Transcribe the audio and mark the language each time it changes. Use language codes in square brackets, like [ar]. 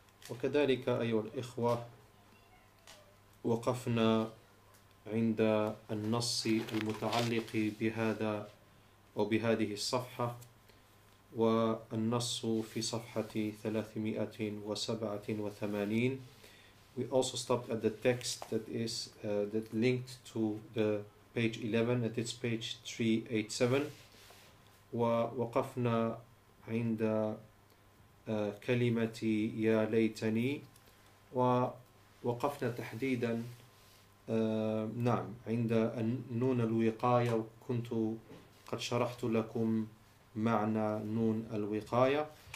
[ar] وكذلك أيها الإخوة وقفنا عند النص المتعلق بهذا أو بهذه الصفحة، والنص في صفحة 387. [en] We also stopped at the text that is that linked to the page 11, and it's page 387. [ar] ووقفنا عند كلمة يا ليتني، ووقفنا تحديدا نعم عند النون الوقاية، وكنت قد شرحت لكم معنى نون الوقاية.